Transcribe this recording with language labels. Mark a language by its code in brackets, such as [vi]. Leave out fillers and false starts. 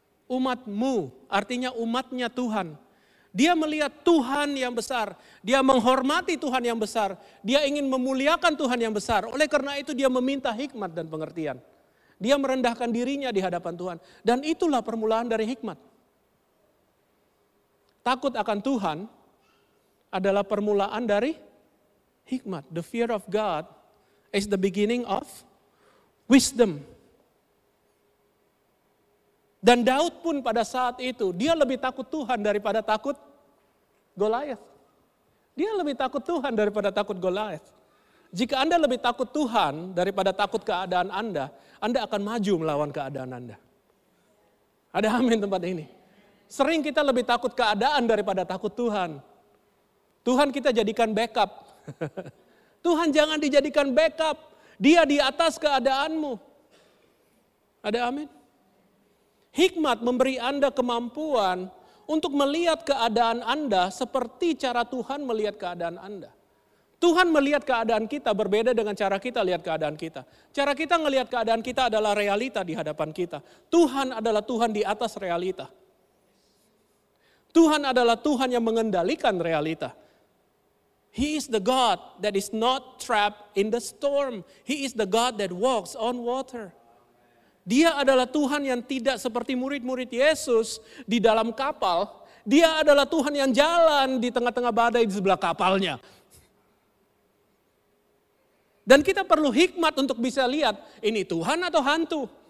[id] Umatmu, artinya umatnya Tuhan. Dia melihat Tuhan yang besar, dia menghormati Tuhan yang besar, dia ingin memuliakan Tuhan yang besar, oleh karena itu dia meminta hikmat dan pengertian. Dia merendahkan dirinya di hadapan Tuhan. Dan itulah permulaan dari hikmat. Takut akan Tuhan adalah permulaan dari hikmat. [en] The fear of God is the beginning of wisdom. [id] Dan Daud pun pada saat itu, dia lebih takut Tuhan daripada takut Goliath. Dia lebih takut Tuhan daripada takut Goliath. Jika Anda lebih takut Tuhan daripada takut keadaan Anda, Anda akan maju melawan keadaan Anda. Ada amin tempat ini. Sering kita lebih takut keadaan daripada takut Tuhan. Tuhan kita jadikan backup. Tuhan jangan dijadikan backup. Dia di atas keadaanmu. Ada amin. Hikmat memberi Anda kemampuan untuk melihat keadaan Anda seperti cara Tuhan melihat keadaan Anda. Tuhan melihat keadaan kita berbeda dengan cara kita lihat keadaan kita. Cara kita melihat keadaan kita adalah realita di hadapan kita. Tuhan adalah Tuhan di atas realita. Tuhan adalah Tuhan yang mengendalikan realita. [en] He is the God that is not trapped in the storm. He is the God that walks on water. [id] Dia adalah Tuhan yang tidak seperti murid-murid Yesus di dalam kapal. Dia adalah Tuhan yang jalan di tengah-tengah badai di sebelah kapalnya. Dan kita perlu hikmat untuk bisa lihat ini Tuhan atau hantu.